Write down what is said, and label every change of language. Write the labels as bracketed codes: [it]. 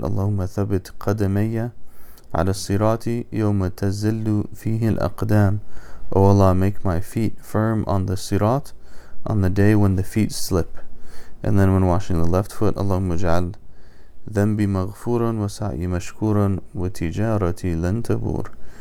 [ar] اللهم ثبت قدمي على الصراط يوم تزل فيه الأقدام. [en] O Allah, make my feet firm on the sirat on the day when the feet slip. And then when washing the left foot, [ar] اللهم اجعل ذنبي مغفورا وسعي مشكورا وتجارتي لن تبور.